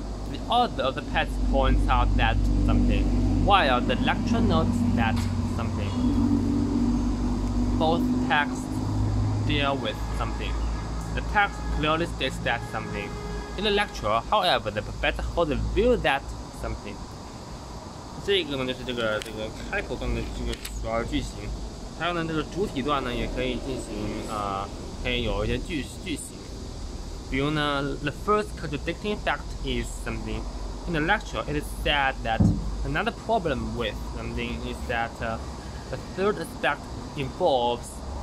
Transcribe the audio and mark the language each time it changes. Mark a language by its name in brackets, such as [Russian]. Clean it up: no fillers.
[English] The author of the passage points out that something. While the lecturer notes that something. Both textsdeal with something. The text clearly states that something. In the lecture, however, the professor holds a view that something. [Chinese] 这个呢就是这个开口段的这个主要句型。还有呢，这个主体段呢也可以进行可以有一些句型。比如呢 [English] ，the first contradicting fact is something. In the lecture, it is said that another problem with something is that the third aspect involves.